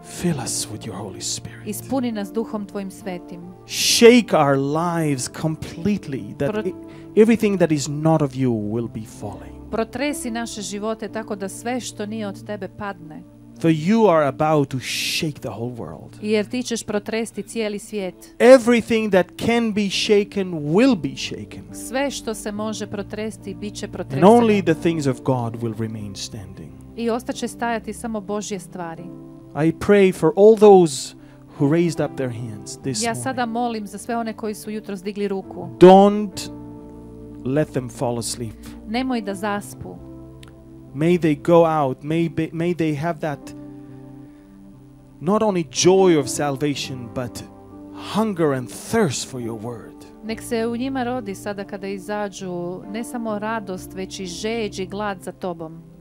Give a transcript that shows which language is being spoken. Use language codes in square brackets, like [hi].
[en] Fill us with your Holy Spirit. [hr] Ispuni nas Duhom tvojim svetim. [en] Shake our lives completely that everything that is not of you will be falling. [hr] Protresi naše živote tako da sve što nije od tebe padne. [en] For you are about to shake the whole world. [hr] Jer ti ćeš protresti cijeli svijet. [en] Everything that can be shaken will be shaken. [hr] Sve što se može protresti bit će protreseno. [en] And only the things of God will remain standing. [hr] I ostaće stajati samo Božje stvari. [en] I pray for all those who raised up their hands this morning. [hr] Ja sada molim za sve one koji su jutros digli ruku. [en] Don't let them fall asleep. [hr] Nemoj da zaspu. [en] May they go out, may they have that not only joy of salvation but hunger and thirst for your word. [hr] Nek se u njima rodi sada kada izađu ne samo radost već i žeđ i glad za tobom.